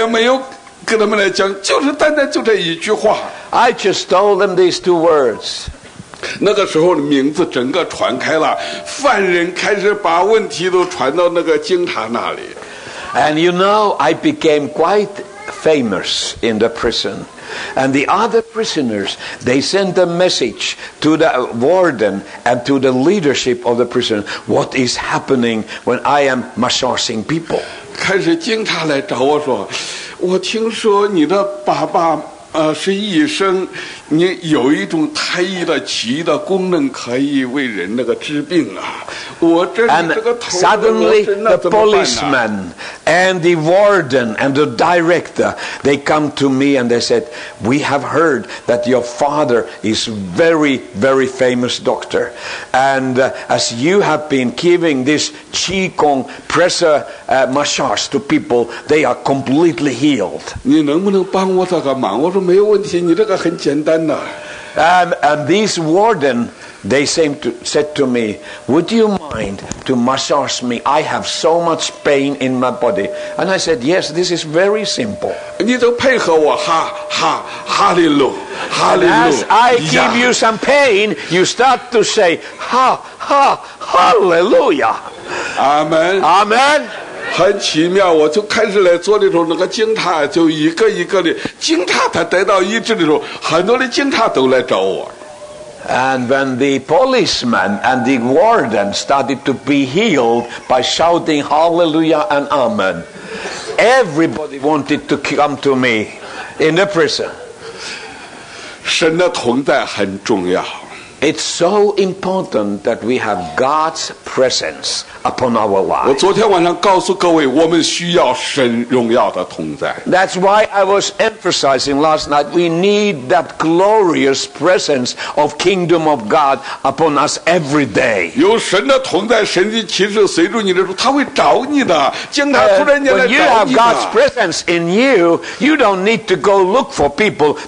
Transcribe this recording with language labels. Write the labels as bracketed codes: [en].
[zh] 我也没有跟他们来讲，就是单单就这一句话。 [en] I just told them these two words. [zh] 那个时候名字整个传开了，犯人开始把问题都传到那个经堂那里。 [en] And you know, I became quite famous in the prison. And the other prisoners, they sent a message to the warden and to the leadership of the prison. What is happening when I am massaging people? [zh] 开始警察来找我说，我听说你的爸爸是医生，你有一种太医的奇的功能，可以为人那个治病啊。我这是这个头。 [en] And suddenly, the policeman and the warden and the director, they come to me and they said, "We have heard that your father is very, very famous doctor, and as you have been giving this qigong pressure massage to people, they are completely healed." [zh] 你能不能帮我这个忙？我说没有问题，你这个很简单的。 [en] And these warden, they said to me, "Would you mind to massage me? I have so much pain in my body." And I said, "Yes, this is very simple." [zh] 你都配合我，哈哈，哈利路，哈利路。 [en] As I give you some pain, you start to say, "Ha ha, hallelujah." Amen. Amen. [zh] 很奇妙，我就开始来做的时候，那个警察就一个一个的，警察他得到医治的时候，很多的警察都来找我。 [en] And when the policeman and the warden started to be healed by shouting hallelujah and amen, everybody wanted to come to me in the prison. [zh] 神的同在很重要。 [en] It's so important that we have God's presence upon our lives. [zh] 我昨天晚上告诉各位，我们需要神荣耀的同在。 [en] That's why I was emphasizing last night, we need that glorious presence of kingdom of God upon us every day. [zh] 有神的同在，神的启示随着你的时候，他会找你的。警察突然间来找你的。 [en] When you have God's presence in you, you don't need to go look for people.